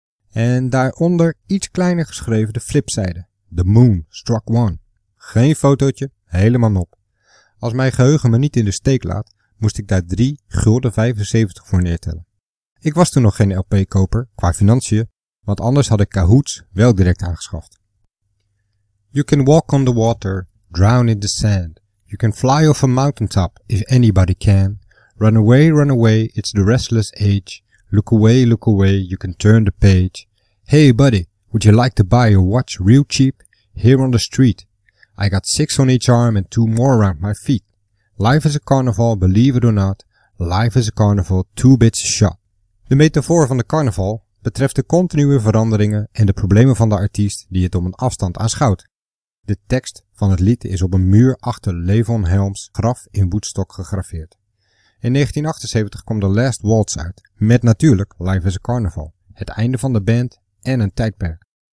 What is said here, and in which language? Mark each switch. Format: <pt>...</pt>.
<nl>En daaronder iets kleiner geschreven de flipzijde, The Moon Struck One. Geen fotootje, helemaal nop. Als mijn geheugen me niet in de steek laat, moest ik daar 3,75 gulden voor neertellen. Ik was toen nog geen LP-koper qua financiën, want anders had ik Cahoots wel direct aangeschaft.</nl> <en>You can walk on the water, drown in the sand. You can fly off a mountaintop if anybody can. Run away, it's the restless age. Look away, you can turn the page. Hey buddy, would you like to buy a watch real cheap? Here on the street. I got 6 on each arm and 2 more around my feet. Life is a carnival, believe it or not. Life is a carnival, 2 bits a shot.</en> <nl>De metafoor van de carnaval betreft de continue veranderingen en de problemen van de artiest die het om een afstand aanschouwt. De tekst van het lied is op een muur achter Levon Helms' graf in Woodstock gegraveerd. In 1978 kwam The Last Waltz uit, met natuurlijk Life is a Carnival, het einde van de band en een tijdperk.</nl>